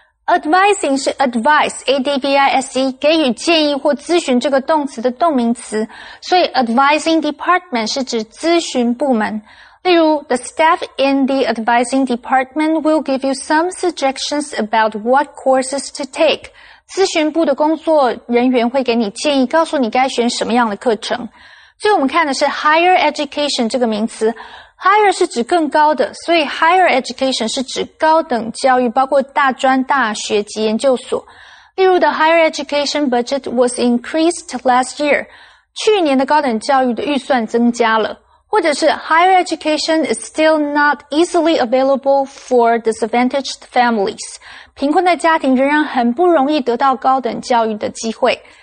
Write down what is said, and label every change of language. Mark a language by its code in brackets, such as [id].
[zh] Advising 是 advise，A-D-V-I-S-E， 给予建议或咨询这个动词的动名词。所以 advising department 是指咨询部门。 [en] 例如 ,the staff in the advising department will give you some suggestions about what courses to take. [zh] 咨询部的工作人员会给你建议，告诉你该选什么样的课程。所以我们看的是 higher education 这个名词。Higher 是指更高的，所以 higher education 是指高等教育，包括大专、大学及研究所。 [en] 例如 ,the higher education budget was increased last year. [zh] 去年的高等教育的预算增加了。 [en] 或者是 ,higher education is still not easily available for disadvantaged families. [zh] 贫困的家庭仍然很不容易得到高等教育的机会。